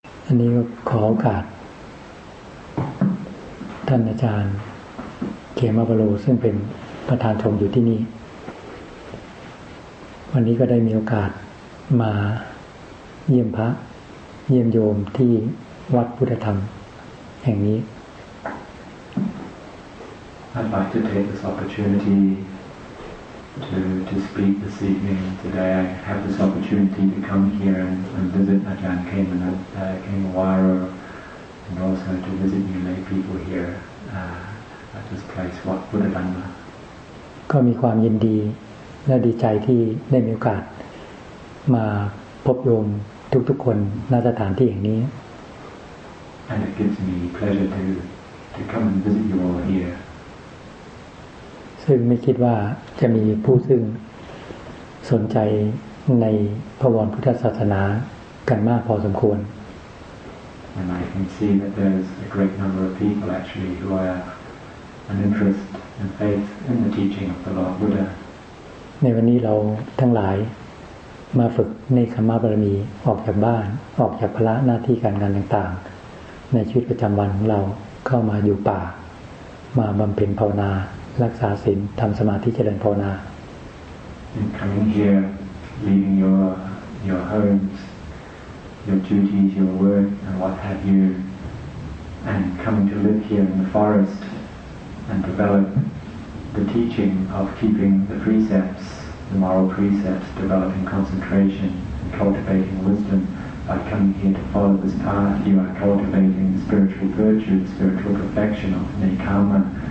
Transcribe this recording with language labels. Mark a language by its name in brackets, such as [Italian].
[Thai] นนี้ก็ขอโอกาสท่านอาจารย์เขมาบาโลซึ่งเป็นประธานชมอยู่ที่นี่วันนี้ก็ได้มีโอกาสมาเยี่ยมพระเยี่ยมโยมที่วัดพุทธธรรมแห่งนี้ [English] I'd like to take this opportunity to speak this evening. Today I have this opportunity to come here and visit Ajahn Khemawaro and also to visit new lay people here at this place, Wat Buddhadhamma. [Thai] ก็มีความยินดีและดีใจที่ได้มีโอกาสมาพบโยมทุกคนณสถานที่แห่งนี้ [English] And it gives me pleasure to come and visit you all here. [Thai] ซึ่งไม่คิดว่าจะมีผู้ซึ่งสนใจในพระวรพุทธศาสนากันมากพอสมควร [English] And I can see that there's a great number of people actually who have an interest and faith in the teaching of the Lord Buddha [Thai] ในวันนี้เราทั้งหลายมาฝึกในขัมมะบารมีออกจากบ้านออกจากภาระหน้าที่การงานต่างๆในชีวิตประจำวันของเราเข้ามาอยู่ป่ามาบำเพ็ญภาวนารักษาศีลทำสมาธิเจริญภาวนา [English] In coming here, leaving your homes, your duties, your work, and what have you, and coming to live here in the forest and develop the teaching of keeping the precepts, the moral precepts, developing concentration and cultivating wisdom by coming here to follow this path, you are cultivating spiritual virtue, spiritual perfection of Nekama.